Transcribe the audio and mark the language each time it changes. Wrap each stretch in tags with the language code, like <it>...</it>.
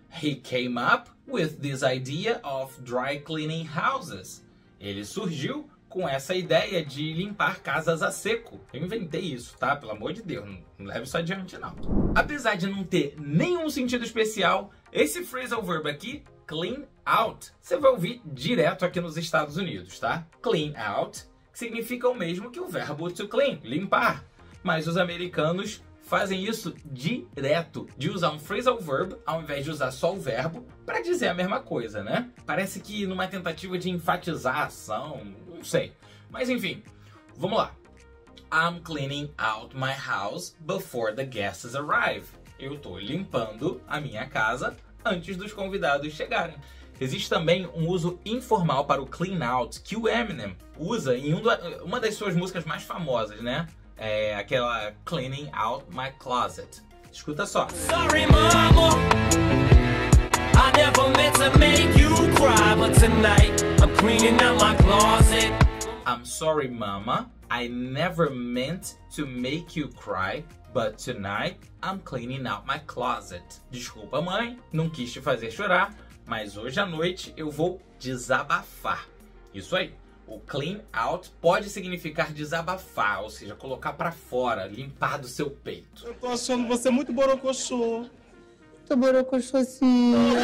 <en>He came up with this idea of dry cleaning houses.</en> <pt>Ele surgiu com essa ideia de limpar casas a seco. Eu inventei isso, tá? Pelo amor de Deus, não leve isso adiante, não. Apesar de não ter nenhum sentido especial, esse phrasal verb aqui, clean out, você vai ouvir direto aqui nos Estados Unidos, tá? Clean out significa o mesmo que o verbo to clean, limpar. Mas os americanos fazem isso direto, de usar um phrasal verb ao invés de usar só o verbo para dizer a mesma coisa, né? Parece que numa tentativa de enfatizar a ação, não sei. Mas enfim, vamos lá.</pt> <en>I'm cleaning out my house before the guests arrive.</en> <pt>Eu estou limpando a minha casa antes dos convidados chegarem. Existe também um uso informal para o clean out que o Eminem usa em uma das suas músicas mais famosas, né? É aquela Cleaning Out My Closet. Escuta só.</pt> <en>Sorry, mama. I never meant to make you cry, but tonight I'm cleaning out my closet. I'm sorry, mama. I never meant to make you cry, but tonight I'm cleaning out my closet.</en> <pt>Desculpa, mãe, não quis te fazer chorar, mas hoje à noite eu vou desabafar. Isso aí. O clean out pode significar desabafar, ou seja, colocar para fora, limpar do seu peito. Eu tô achando você muito borocochô. Tô borocochôzinha.</pt>